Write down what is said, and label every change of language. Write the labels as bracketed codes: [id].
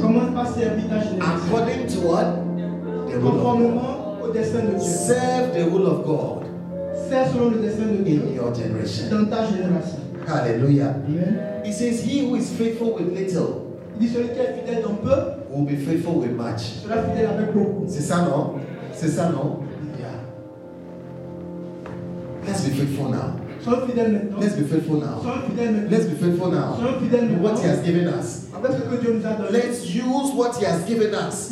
[fr] Commence par servir ta génération. [en] According to what? [fr] Conformément au dessein de Dieu. [en] Serve the will of God. [fr] Serve selon le dessein de Dieu. [en] In your generation. [fr] Dans ta génération. [en] Hallelujah. Amen. He says, "He who is faithful with little." [fr] Il dit celui qui est fidèle dans peu [en] will be faithful with much. [fr] Sera fidèle avec beaucoup. C'est ça non? C'est ça non? [en] Yeah. Let's be faithful now. [fr] Sois fidèle maintenant. [en] Let's be faithful now. [fr] Sois fidèle maintenant. [en] Let's be faithful now. [fr] Sois fidèle maintenant. [en] What he has given us. [fr] Avec ce que Dieu nous a donné. [en] Let's use what he has given us.